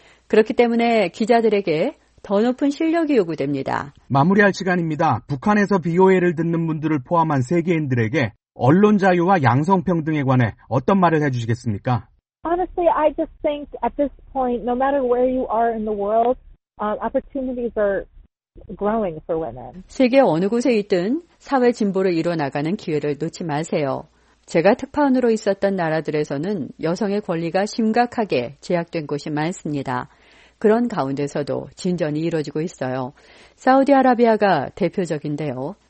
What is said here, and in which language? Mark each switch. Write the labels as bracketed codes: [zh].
[ko] 그렇기 때문에 기자들에게 더 높은 실력이 요구됩니다. 마무리할 시간입니다. 북한에서 BOA를 듣는 분들을 포함한 세계인들에게 언론 자유와 양성평등에 관해 어떤 말을 해주시겠습니까? [en] Honestly, I just think at this point, no matter where you are in the world, opportunities are growing for women. [ko] 세계 어느 곳에 있든 사회 진보를 이뤄 나가는 기회를 놓지 마세요. 제가 특파원으로 있었던 나라들에서는 여성의 권리가 심각하게 제약된 곳이 많습니다. 그런 가운데서도 진전이 이루어지고 있어요. 사우디아라비아가 대표적인데요.